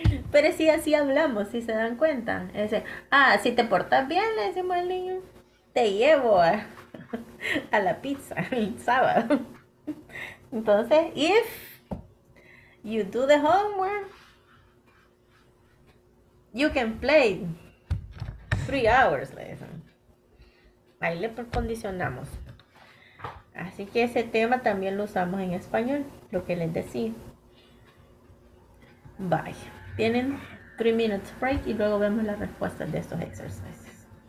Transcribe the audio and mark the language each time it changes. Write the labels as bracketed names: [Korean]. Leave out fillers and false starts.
[Spanish] Pero sí, así hablamos, si se dan cuenta. Ese, ah, si te portas bien, le decimos al niño, te llevo a la pizza el sábado. Entonces, [English] if you do the homework, you can play 3 hours lesson. [Spanish] Ahí le condicionamos. Así que ese tema también lo usamos en español, lo que les decía. Bye. Tienen [English] 3 minutes break [Spanish] y luego vemos las respuestas de estos exercises.